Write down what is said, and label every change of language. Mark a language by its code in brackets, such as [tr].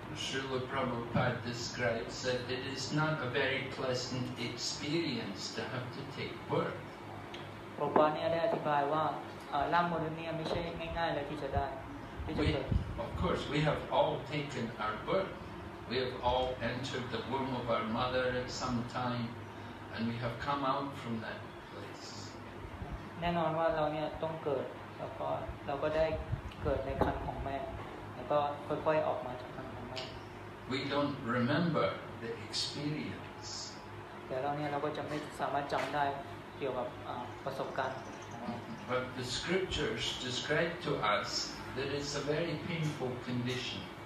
[en] Srila Prabhupada describes that it is not a very pleasant experience to have to take birth [th] พระบาลเนี่ยได้อธิบายว่าร่างมนุษย์เนี่ยไม่ใช่ง่ายๆเลยที่จะได้ที่จะเกิด [en] Of course we have all taken our birthWe have all entered the womb of our mother at some time, and we have come out from that place. [th] แน่นอนว่าเราเนี่ยต้องเกิดแล้วก็เราก็ได้เกิดในครรภ์ของแม่แล้วก็ค่อยๆออกมาจากครรภ์ของแม่ [en] We don't remember the experience. [th] แต่เราเนี่ยเราก็จะไม่สามารถจำได้เกี่ยวกับประสบการณ์ [en] But the scriptures describe to us that it's a very painful condition.